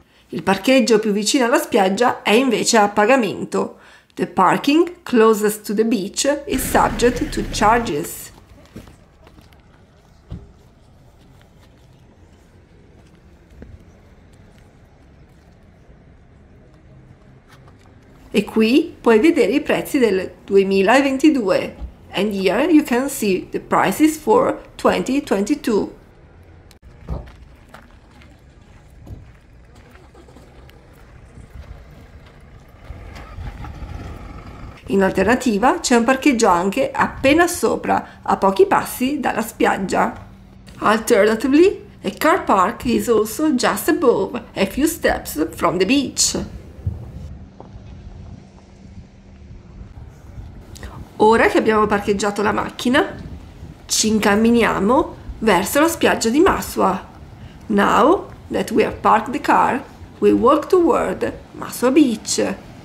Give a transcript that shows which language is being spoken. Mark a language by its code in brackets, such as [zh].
[it] Il parcheggio più vicino alla spiaggia è invece a pagamento. [en] The parking closest to the beach is subject to charges. [it] E qui puoi vedere i prezzi del 2022. [en] And here you can see the prices for 2022. [it] In alternativa c'è un parcheggio anche appena sopra, a pochi passi dalla spiaggia. [en] Alternatively, a car park is also just above, a few steps from the beach. [it] Ora che abbiamo parcheggiato la macchina, ci incamminiamo verso la spiaggia di Masua. [en] Now that we have parked the car, we walk toward Masua Beach.